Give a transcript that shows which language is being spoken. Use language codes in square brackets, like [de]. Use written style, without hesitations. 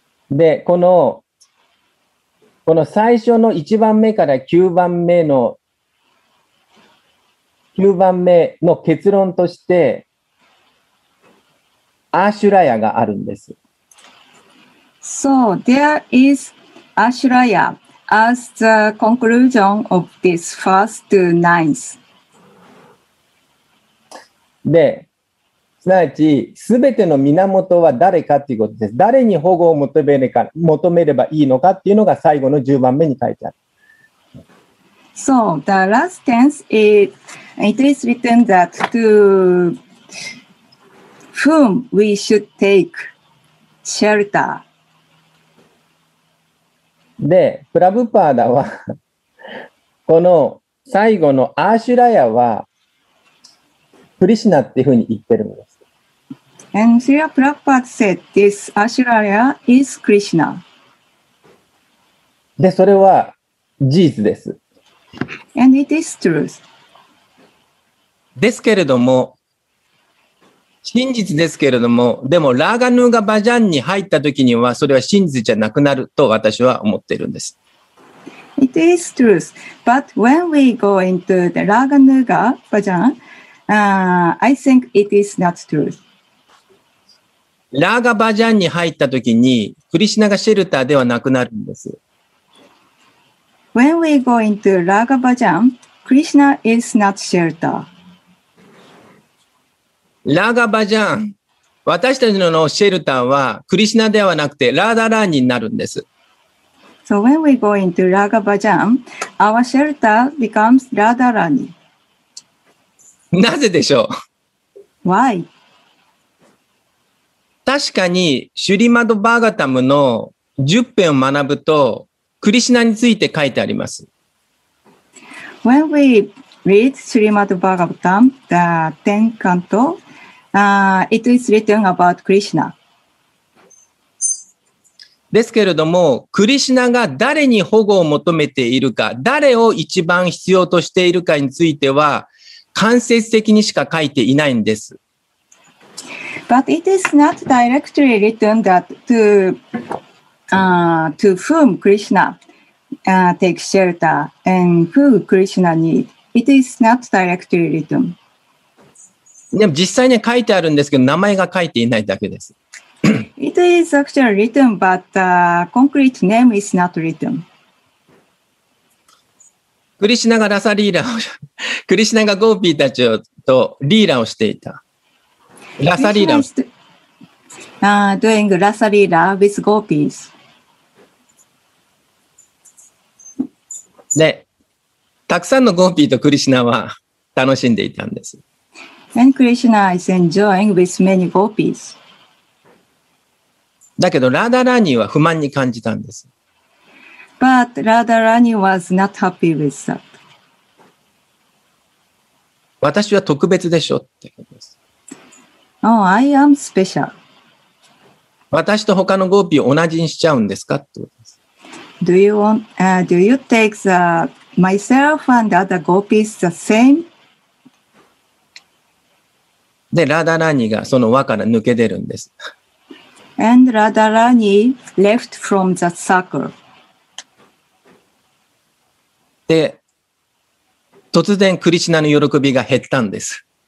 [ja] で、この最初の1番目から9番目の結論として、アシュラヤがあるんです。 [en] So, there is Ashraya as the conclusion of this first to ninth. [ja] で、すなわち、すべての源は誰かということです。誰に保護を求めればいいのかっていうのが最後の10番目に書いてある。 [en] So, the last tense it is written that to whom we should take shelter. [ja] で、プラブパーダは、この最後のアーシュラヤは、クリシナっていうふうに言ってるんです。 [en] And Srila Prabhupada said this Ashraya is Krishna. [ja] で、それは事実です。 [en] And it is truth. [ja] ですけれども、真実ですけれども、でもラーガヌーガバジャンに入った時にはそれは真実じゃなくなると私は思っているんです。 [en] It is truth, but when we go into the ラーガヌーガバジャン、I think it is not truth。 [ja] ラーガバジャンに入った時にクリシナがシェルターではなくなるんです。 [en] When we go into ラーガバジャン、 Krishna is not shelter。 [ja] ラガバジャン、私たちのシェルターはクリシナではなくてラーダラーニになるんです。 [en] So when we go into ラガバジャン, our shelter becomes ラーダラーニ。 [ja] なぜでしょう。 [en] Why? [ja] 確かにシュリマドバーガタムの10編を学ぶとクリシナについて書いてあります。 [en] When we read シュリマドバーガタム the 10 cantoIt is written about Krishna. [ja] ですけれども、クリシナが誰に保護を求めているか、誰を一番必要としているかについては、間接的にしか書いていないんです。 [en] But it is not directly written that to whom Krishna takes shelter and who Krishna needs. It is not directly written. [ja] でも実際には書いてあるんですけど、名前が書いていないだけです。 [en] It is actually written, but concrete name is not written. [ja] クリシナがラサリーラを、クリシナがゴーピーたちをとリーラをしていた。ラサリーラを。 [en] doing ラサリーラ with gopis. [ja] で、たくさんのゴーピーとクリシナは楽しんでいたんです。 [en] And Krishna is enjoying with many gopis. [ja] だけどラダラニは不満に感じたんです。 [en] But Radharani was not happy with that. [ja] 私は特別でしょってことです。 [en] Oh, I am special. [ja] 私と他のゴーピーを同じにしちゃうんですかってことです。 [en] Do you take myself and other gopis the same? [ja] で、ラダラーニがその輪から抜け出るんです。 [en] And Radharani left from the circle. [ja] で、突然クリシナの喜びが減ったんです。